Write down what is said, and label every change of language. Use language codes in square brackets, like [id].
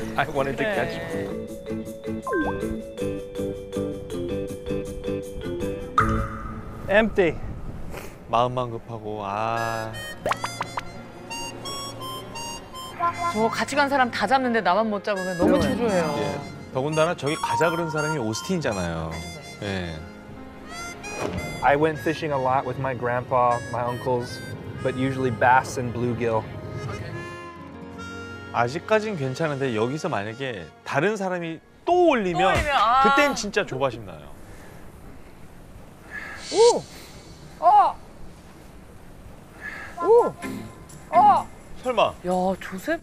[en] I wanted okay. to catch one. Empty. [ko] 마음만 급하고 아. 저 같이 간 사람 다 잡는데 나만 못 잡으면 너무 초조해요. 예. 더군다나 저기 가자 그런 사람이 오스틴이잖아요. 예. [en] I went fishing a lot with my grandpa, my uncles, but usually bass and bluegill. [ko] 아직까진 괜찮은데 여기서 만약에 다른 사람이 또 올리면 아. 그땐 진짜 조바심 나요. 오! 어! 오! 어! 설마. 야, 조셉?